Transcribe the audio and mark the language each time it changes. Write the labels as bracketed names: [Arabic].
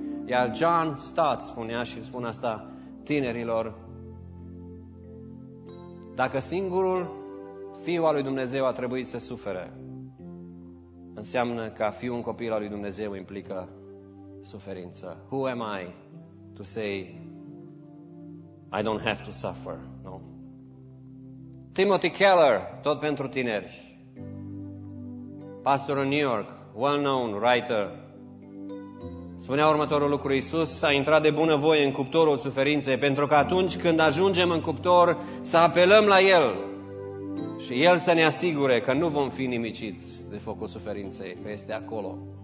[Romanian] Iar John Stott spunea și spune asta tinerilor, dacă singurul fiu al lui Dumnezeu a trebuit să sufere, înseamnă că a fi un copil al lui Dumnezeu implică suferință. [English] Who am I to say I don't have to suffer? No. [Romanian] Timothy Keller, tot pentru tineri, pastor în New York, [English] well-known writer, [Romanian] spunea următorul lucru: Iisus a intrat de bună voie în cuptorul suferinței pentru că atunci când ajungem în cuptor să apelăm la El și El să ne asigure că nu vom fi nimiciți de focul suferinței, că este acolo.